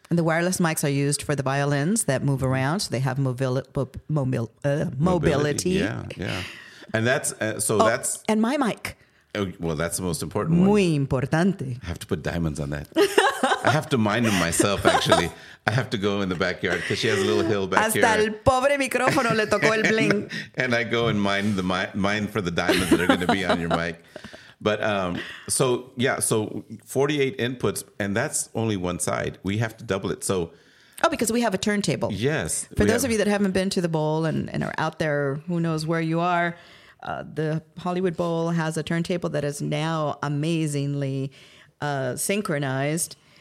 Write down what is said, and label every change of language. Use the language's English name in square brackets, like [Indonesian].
[English] And the wireless mics are used for the violins that move around, so they have mobility. Yeah. And that's that's... And my mic. Well, that's the most important one. [Spanish] Muy importante. [English] I have to put diamonds on that. I have to mine them myself, actually. I have to go in the backyard because she has a little hill back [Spanish] Hasta [English] here. [Spanish] Hasta el pobre micrófono le tocó el bling. [English] And I go and mine for the diamonds that are going to be on your mic. But so 48 inputs, and that's only one side. We have to double it. So, because we have a turntable. Yes. For those of you that haven't been to the bowl and are out there, who knows where you are, the Hollywood Bowl has a turntable that is now amazingly synchronized.